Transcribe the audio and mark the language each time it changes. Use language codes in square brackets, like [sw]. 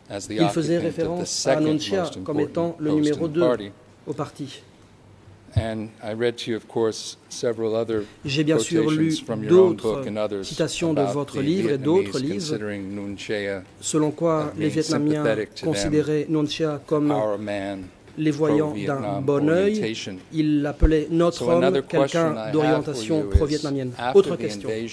[fr] Il faisait référence à Nguyen Chea comme étant le numéro 2 au parti. [en] And I read to you, of course, several other [fr] j'ai bien sûr lu d'autres citations de votre livre et d'autres livres, selon quoi les Vietnamiens considéraient Nguyen Chea comme les voyants d'un bon œil. Ils l'appelaient notre homme, quelqu'un d'orientation pro-vietnamienne. Autre question.